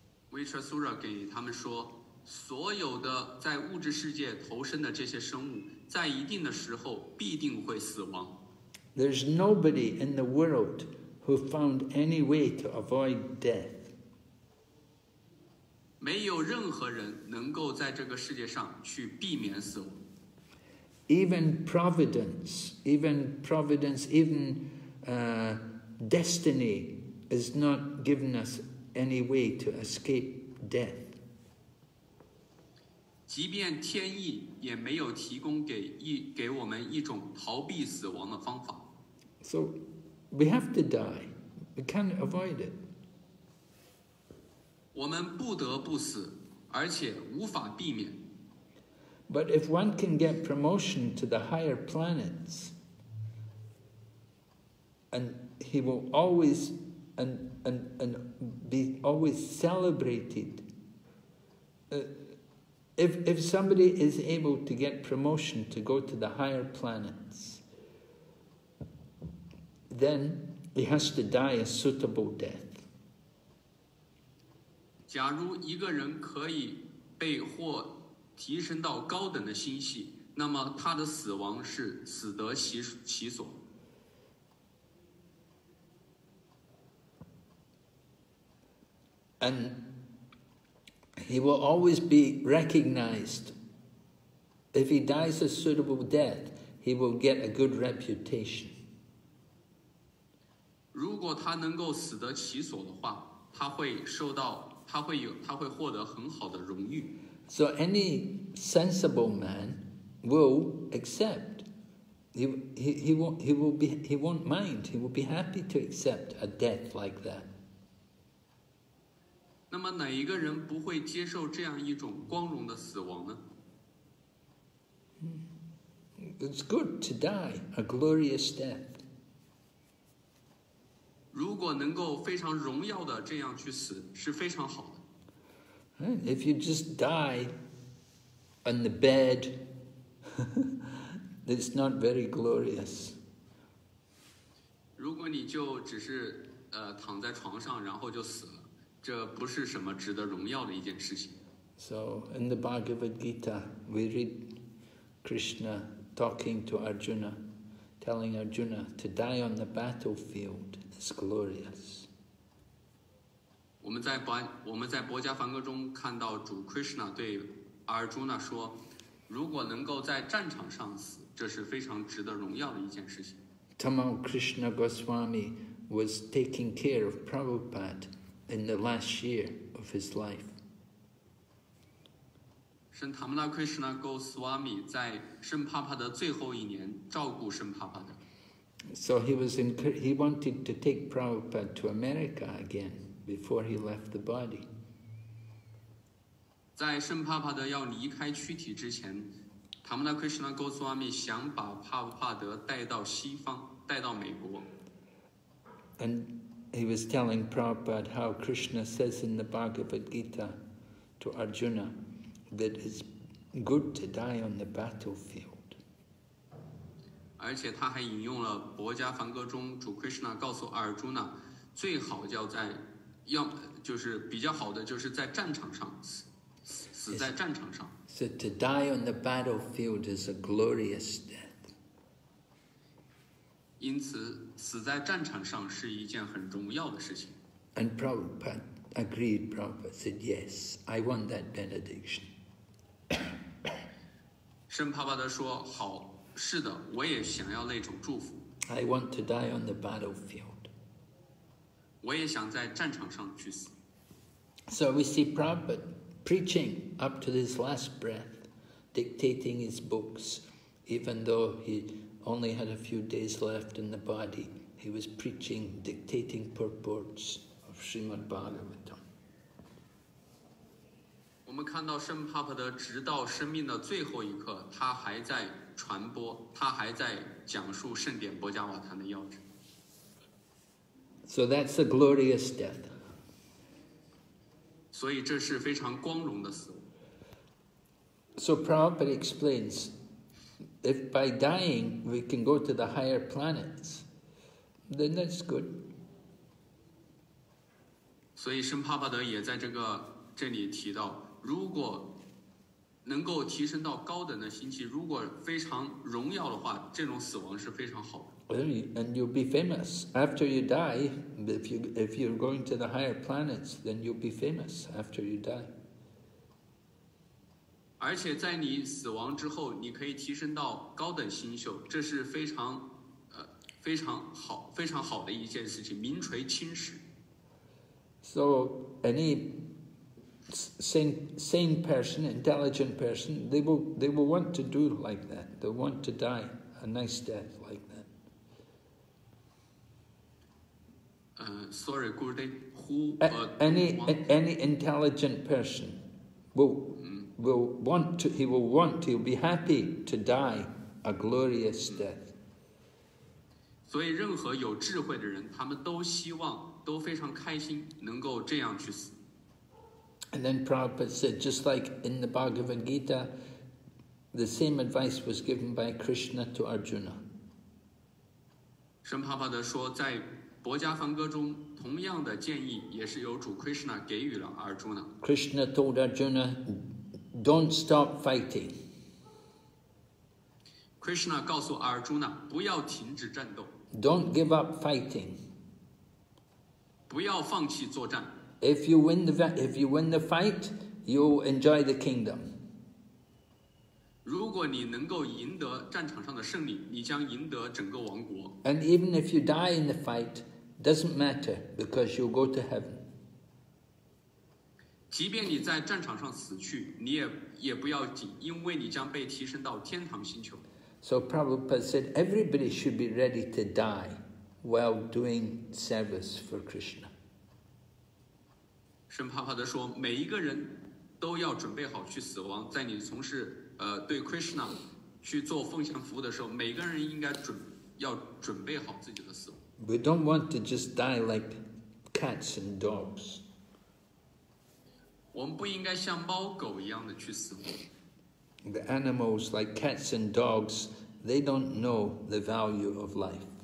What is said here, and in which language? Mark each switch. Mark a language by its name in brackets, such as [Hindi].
[Chinese] Vritrasura 给他们说，所有的在物质世界投身的这些生物，在一定的时候必定会死亡。 [English] There's nobody in the world who found any way to avoid death. [Chinese] 没有任何人能够在这个世界上去避免死亡。 [English] Even providence, destiny is not giving us any way to escape death. [Chinese] 即便天意也没有提供给我们一种逃避死亡的方法。 [English] So we have to die. We can't avoid it. [Chinese] 我们不得不死，而且无法避免。 [English] But if one can get promotion to the higher planets, and he will always and be always celebrated, if somebody is able to get promotion to go to the higher planets, then he has to die a suitable death. [Chinese] 假如一个人可以被或提升到高等的星系，那么他的死亡是死得其所。 [English] And he will always be recognized. If he dies a suitable death, he will get a good reputation. [Chinese] 如果他能够死得其所的话，他会受到，他会获得很好的荣誉。 [English] So any sensible man will accept. He won't mind. He will be happy to accept a death like that. [Chinese] 那么哪一个人不会接受这样一种光荣的死亡呢？ [English] It's good to die a glorious death. [Chinese] 如果能够非常荣耀的这样去死，是非常好的。 [English] If you just die on the bed, it's not very glorious. [Chinese] 如果你就只是躺在床上然后就死了，这不是什么值得荣耀的一件事情。 [English] So in the Bhagavad Gita, we read Krishna talking to Arjuna, telling Arjuna to die on the battlefield is glorious. [Chinese] 我们在《薄伽梵歌》中看到主 Krishna 对阿尔朱纳说，如果能够在战场上死，这是非常值得荣耀的一件事情。 [English] Tamal Krishna Goswami was taking care of Prabhupada in the last year of his life. [Chinese] 圣塔玛拉 Krishna Goswami 在圣帕帕的最后一年照顾圣帕帕的。 [English] So he wanted to take Prabhupada to America again. Before he left the body. [Chinese] 在圣帕帕德要离开躯体之前，塔玛拉克什纳戈斯瓦米想把帕帕德带到西方，带到美国。 [English] And he was telling Prabhupada how Krishna says in the Bhagavad Gita to Arjuna that it's good to die on the battlefield. [Chinese] 而且他还引用了《薄伽梵歌》中主 Krishna 告诉阿尔朱纳，最好叫在要就是比较好的，就是在战场上死在战场上。 [English] So to die on the battlefield is a glorious death. [Chinese] 因此，死在战场上是一件很重要的事情。 [English] And Prabhupada agreed. Prabhupada said, "Yes, I want that benediction." [Chinese] 圣帕帕德说：“好，是的，我也想要那种祝福。 [English] ”I want to die on the battlefield. [Chinese] 我也想在战场上去死。 [English] So we see Prabhupada preaching up to his last breath, dictating his books, even though he only had a few days left in the body. He was preaching, dictating purports of Srimad Bhagavatam. [Chinese] 我们看到圣帕帕德直到生命的最后一刻，他还在传播，他还在讲述圣典薄伽瓦坛的要旨。 [English] So that's a glorious death. [Chinese] 所以这是非常光荣的死。 [English] So Prabhupada explains, if by dying we can go to the higher planets, then that's good. [Chinese] 所以圣帕帕德也在这里提到，如果能够提升到高等的星系，如果非常荣耀的话，这种死亡是非常好的。 [English] And you'll be famous after you die. If you're going to the higher planets, then you'll be famous after you die. [Chinese] 而且在你死亡之后，你可以提升到高等星宿，这是非常好的一件事情，名垂青史。 [English] So any sane person, intelligent person, they will want to do like that. They want to die a nice death like that. Sorry, Gurudev, who any intelligent person will be happy to die a glorious death. [Chinese] 所以任何有智慧的人, 他们都希望, 都非常开心, 能够这样去死。 [English] And then Prabhupada said, just like in the Bhagavad Gita, the same advice was given by Krishna to Arjuna. [Chinese] 神爸爸地说, 在《薄伽梵歌》中, 同样的建议也是由主 Krishna 给予了 Arjuna. [English] Krishna told Arjuna, don't stop fighting. [Chinese] Krishna 告诉 Arjuna, 不要停止战斗。 [English] Don't give up fighting. [Chinese] 不要放弃作战。 [English] If you win the fight, you'll enjoy the kingdom. [Chinese] 如果你能够赢得战场上的胜利, 你将赢得整个王国。 [English] And even if you die in the fight, doesn't matter because you'll go to heaven. [Chinese] 即便你在战场上死去, 你也不要紧, 因为你将被提升到天堂星球。 [English] So Prabhupada said, everybody should be ready to die while doing service for Krishna. [Chinese] 神帕帕地说, 每一个人都要准备好去死亡, 在你从事, 对 Krishna 去做奉献服务的时候, 每个人应该要准备好自己的死亡。 [English] We don't want to just die like cats and dogs. [Chinese] 我们不应该像猫狗一样的去死亡。The [English] animals like cats and dogs, they don't know the value of life.